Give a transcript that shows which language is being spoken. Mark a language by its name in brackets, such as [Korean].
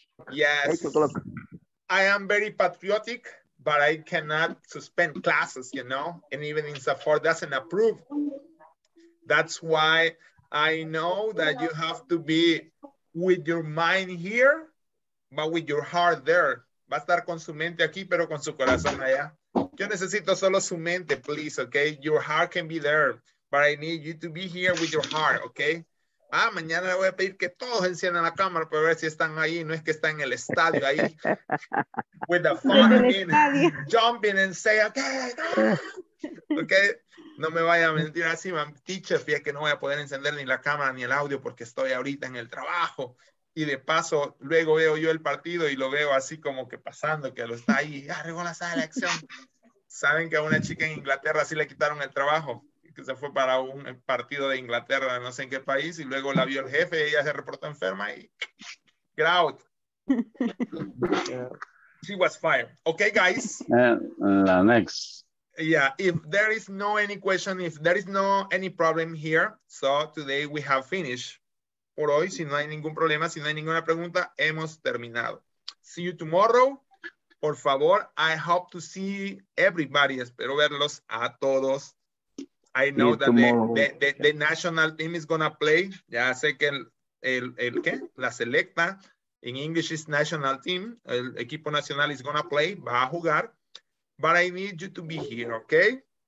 [English] Yes. 8 o'clock. I am very patriotic, but I cannot suspend classes, you know, and even in Safford doesn't approve. That's why I know that you have to be with your mind here. But with your heart there. [Spanish] Va a estar con su mente [English] aquí, pero con su corazón allá. Yo necesito solo su mente, please, okay? Your heart can be there. But I need you to be here with your heart, okay? [Spanish] Ah, mañana le voy a pedir que todos enciendan la cámara para ver si están ahí. No es que están en el estadio ahí. [English] With the fun in jumping and say, okay. [Spanish] Okay. No me vaya a mentir así, man. Teacher, fíjate que no voy a poder encender ni la cámara ni el audio porque estoy ahorita en el trabajo. Y de paso, luego veo yo el partido y lo veo así como que pasando, que lo está ahí. Ah, regó la sala de acción. ¿Saben que a una chica en Inglaterra sí le quitaron el trabajo? Que se fue para un partido de Inglaterra, no sé en qué país, y luego la vio el jefe, ella se reportó enferma y [English] get out. She was fired. Okay, guys. La next. Yeah, if there is no any question, if there is no any problem here, so today we have finished. [Spanish] Por hoy, si no hay ningún problema, si no hay ninguna pregunta, hemos terminado. [English] See you tomorrow. [Spanish] Por favor, [English] I hope to see everybody. [Spanish] Espero verlos a todos. [English] I know that the national team is going to play. [Spanish] Ya sé que el ¿qué? La selecta, [English] in English is national team. [Spanish] El equipo nacional [English] is going to play, [Spanish] va a jugar. [English] But I need you to be here, okay?